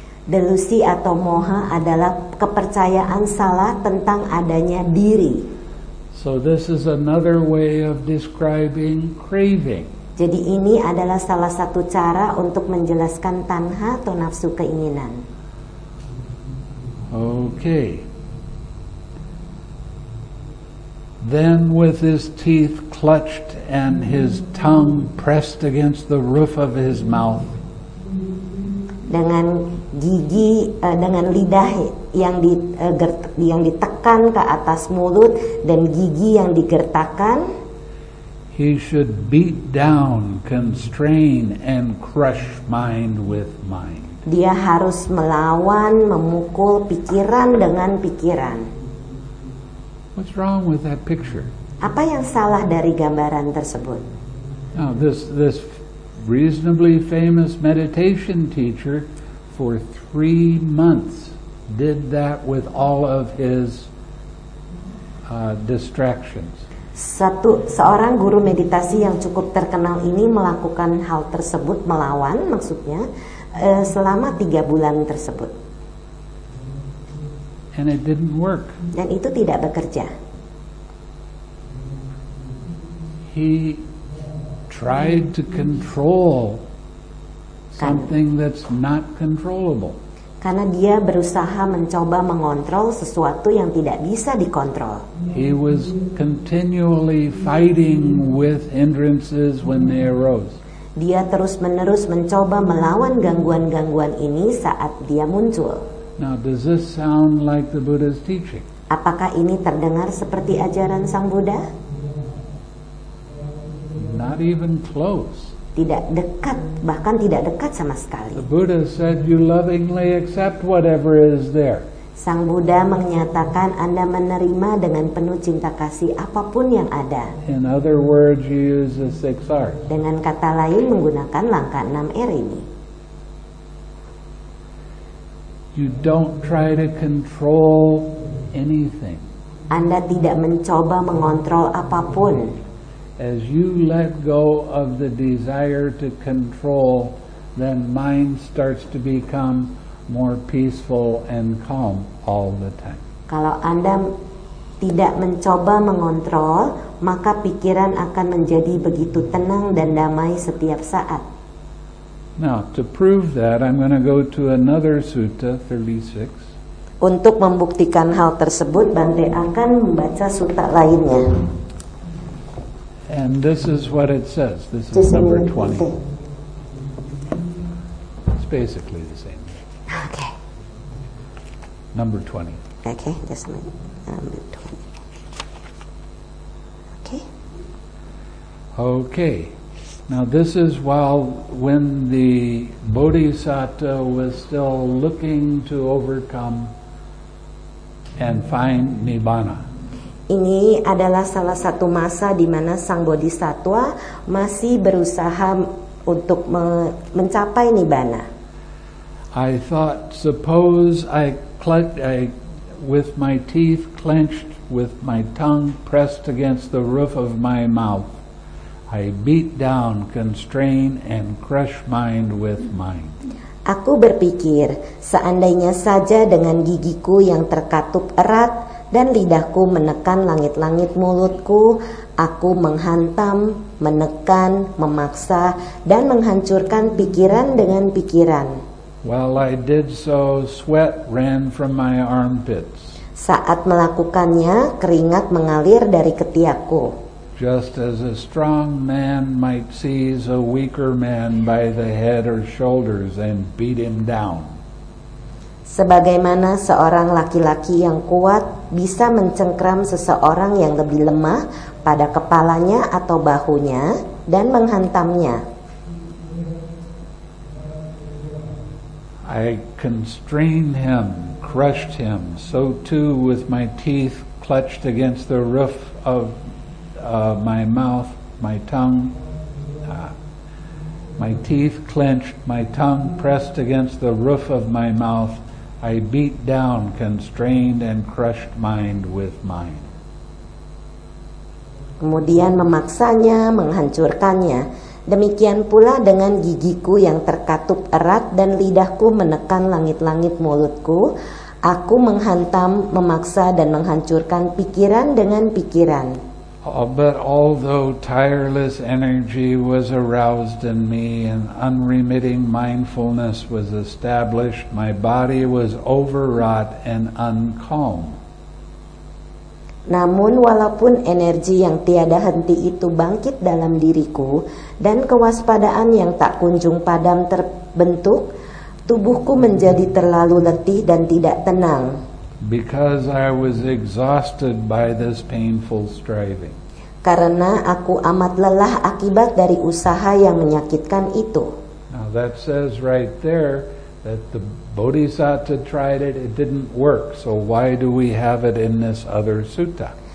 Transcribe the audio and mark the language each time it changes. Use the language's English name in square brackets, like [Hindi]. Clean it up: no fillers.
[Indonesian] Delusi atau moha adalah kepercayaan salah tentang adanya diri. [English] So this is another way of describing craving. [Indonesian] Jadi ini adalah salah satu cara untuk menjelaskan tanha atau nafsu keinginan. [English] Okay. Then with his teeth clutched and his tongue pressed against the roof of his mouth. [Indonesian] Dengan gigi dengan lidah yang ditekan ke atas mulut dan gigi yang digertakan. [English] He should beat down, constrain and crush mind with mind. [Indonesian] Dia harus melawan, memukul pikiran dengan pikiran. [English] What's wrong with that picture? [Indonesian] Apa yang salah dari gambaran tersebut? [English] Now, this reasonably famous meditation teacher for 3 months did that with all of his distractions. [Indonesian] Seorang guru meditasi yang cukup terkenal ini melakukan hal tersebut, melawan maksudnya, selama 3 bulan tersebut. [English] And it didn't work. [Indonesian] Dan itu tidak bekerja. [English] He tried to control something that's not controllable. [Indonesian] Karena dia berusaha mencoba mengontrol sesuatu yang tidak bisa dikontrol. [English] He was continually fighting with hindrances when they arose. [Indonesian] Dia terus-menerus mencoba melawan gangguan-gangguan ini saat dia muncul. [English] Now, does this sound like the Buddha's teaching? [Indonesian] Apakah ini terdengar seperti ajaran Sang Buddha? [English] Not even close. [Indonesian] Tidak dekat, bahkan tidak dekat sama sekali. [English] The Buddha said, "You lovingly accept whatever is there." [Indonesian] Sang Buddha menyatakan Anda menerima dengan penuh cinta kasih apapun yang ada. [English] In other words, you use the 6 R's. [Indonesian] Dengan kata lain, menggunakan langkah 6 R ini. [English] You don't try to control anything. [Indonesian] Anda tidak mencoba mengontrol apapun. [English] As you let go of the desire to control, then mind starts to become more peaceful and calm all the time. [Indonesian] Kalau Anda tidak mencoba mengontrol, maka pikiran akan menjadi begitu tenang dan damai setiap saat. [English] Now, to prove that, I'm going to go to another sutta, 36. [Indonesian] Untuk membuktikan hal tersebut, Bante akan membaca sutta lainnya. [English] And this is what it says. This is number 20. It's basically the same. Number 20. Okay, just a minute. Number 20. Okay. Okay. Now this is when the Bodhisattva was still looking to overcome and find Nibbana. [Indonesian] Ini adalah salah satu masa di mana Sang Bodhisattva masih berusaha untuk mencapai Nibbana. [English] I thought, suppose I with my teeth clenched, with my tongue pressed against the roof of my mouth. I beat down, constrain, and crush mind with mind. [Indonesian] Aku berpikir, seandainya saja dengan gigiku yang terkatup erat dan lidahku menekan langit-langit mulutku, aku menghantam, menekan, memaksa, dan menghancurkan pikiran dengan pikiran. [English] While I did so, sweat ran from my armpits. [Indonesian] Saat melakukannya, keringat mengalir dari ketiakku. [English] Just as a strong man might seize a weaker man by the head or shoulders and beat him down. [Indonesian] Sebagaimana seorang laki-laki yang kuat bisa mencengkram seseorang yang lebih lemah pada kepalanya atau bahunya dan menghantamnya. [English] I constrained him, crushed him, so too with my teeth clutched against the roof of my mouth, my tongue, my teeth clenched, my tongue pressed against the roof of my mouth, I beat down, constrained, and crushed mind with mind. [Indonesian] Kemudian memaksanya, menghancurkannya. Demikian pula dengan gigiku yang terkatup erat dan lidahku menekan langit-langit mulutku, aku menghantam, memaksa, dan menghancurkan pikiran dengan pikiran. [English] But although tireless energy was aroused in me and unremitting mindfulness was established, my body was overwrought and uncalm. [Indonesian] Namun walaupun energi yang tiada henti itu bangkit dalam diriku dan kewaspadaan yang tak kunjung padam terbentuk, tubuhku menjadi terlalu letih dan tidak tenang. [English] Because I was exhausted by this painful striving. [Indonesian] Karena aku amat lelah akibat dari usaha yang menyakitkan itu. [English] Now that says right there that the Bodhisattva tried it, it didn't work. So why do we have it in this other sutta?